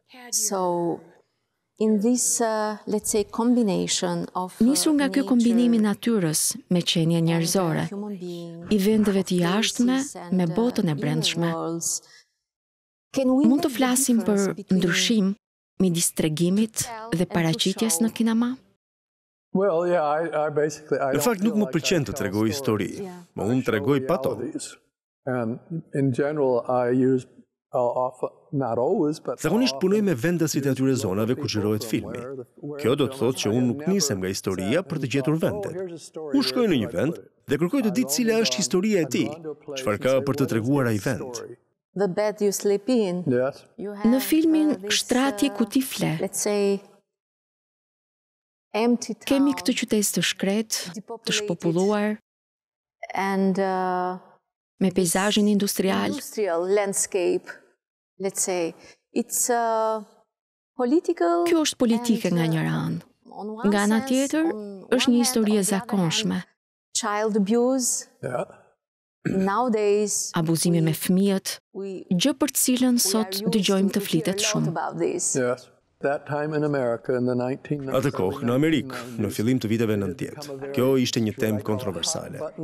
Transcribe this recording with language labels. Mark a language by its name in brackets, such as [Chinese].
[English] So in this let's say combination of [Albanian] nisur nga ky kombinim i natyrës me qenien njerëzore, i vendeve të jashtme me botën e brendshme. Mund të flasim për ndryshim midis tregimit dhe paraqitjes në kinema? [English] Well, yeah, I basically [Albanian] Në fakt nuk më pëlqen të tregoj histori, më unë tregoj pato. [English] And in general I use not always, but [Albanian] zakonisht punoj me vendasit e atyre zonave ku xhirohet filmi. Kjo do të thotë që unë nuk nisem nga historia për të gjetur vendet. Unë shkoj në një vend dhe kërkoj të di cila është historia e tij, çfarë ka për të treguar ai vend. [English] The bed you sleep in. Yes. [Albanian] Në filmin Shtrati ku ti fle. [English] Let's say empty town. [Albanian] Kemi këtë qytet të shkret, të shpopulluar [English] and [Albanian] me peizazhin industrial. [English] Industrial landscape. Let's say it's a political. [Albanian] Kjo është politike nga njëra anë. Nga ana tjetër është një histori e zakonshme. [English] Child abuse. Yeah. Nowadays, [Albanian] abuzimi me fëmijët, gjë për të cilën sot dëgjojmë të flitet shumë. Atë kohë në Amerikë, në fillim të viteve 90, kjo ishte një temë kontroversale.